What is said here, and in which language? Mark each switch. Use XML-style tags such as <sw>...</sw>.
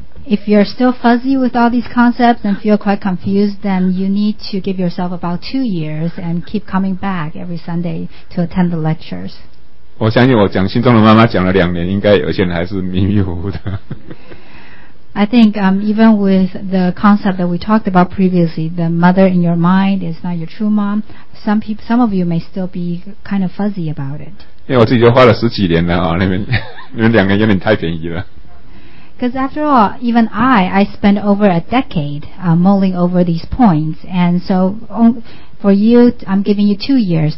<en>If you're still fuzzy with all these concepts and feel quite confused, then you need to give yourself about 2 years and keep coming back every Sunday to attend the lectures.</en> <zh>我相信我讲心中的妈妈讲了两年，应该有些人还是迷迷糊糊的。</zh> <en>I think even with the concept that we talked about previously, the mother in your mind is not your true mom. Some of you may still be kind of fuzzy about it.</en> <zh>因为我自己就花了十几年了啊，那边你们两个有点太便宜了。</zh> <en>Because after all, even I spent over a decade mulling over these points, and so for you, I'm giving you 2 years.</en>